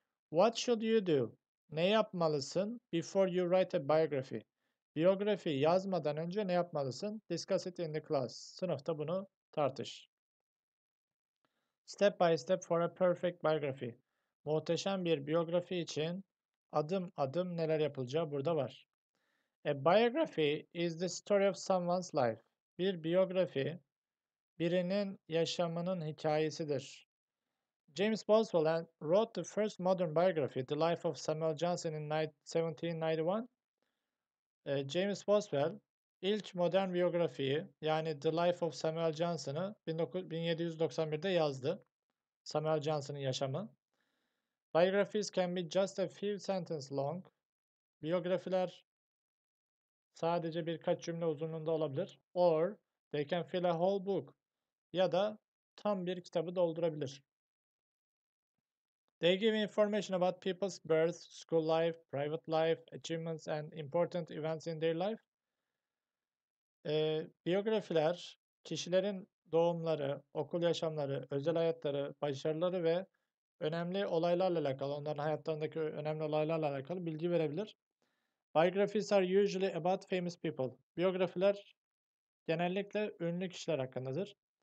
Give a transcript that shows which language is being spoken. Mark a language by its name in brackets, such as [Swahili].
[English] What should you do? [Turkish] Ne yapmalısın [English] before you write a biography? [Turkish] Biyografi yazmadan önce ne yapmalısın? [English] Discuss it in the class. [Turkish] Sınıfta bunu tartış. [English] Step by step for a perfect biography. [Turkish] Muhteşem bir biyografi için adım adım neler yapılacağı burada var. [English] A biography is the story of someone's life. [Turkish] Bir biyografi birinin yaşamının hikayesidir. [English] James Boswell wrote the first modern biography, The Life of Samuel Johnson in 1791. [Turkish] James Boswell ilk modern biyografiyi yani The Life of Samuel Johnson'ı 1791'de yazdı. Samuel Johnson'ın yaşamı. [English] Biographies can be just a few sentences long. [Turkish] Biyografiler sadece birkaç cümle uzunluğunda olabilir. [English] Or they can fill a whole book. [Turkish] Ya da tam bir kitabı doldurabilir. [English] They give information about people's birth, school life, private life, achievements and important events in their life. [Turkish] Biyografiler, kişilerin doğumları, okul yaşamları, özel hayatları, başarıları ve önemli olaylarla alakalı, onların hayatlarındaki önemli olaylarla alakalı bilgi verebilir. [English] Biographies are usually about famous people. [Turkish] Biyografiler genellikle ünlü kişiler hakkındadır.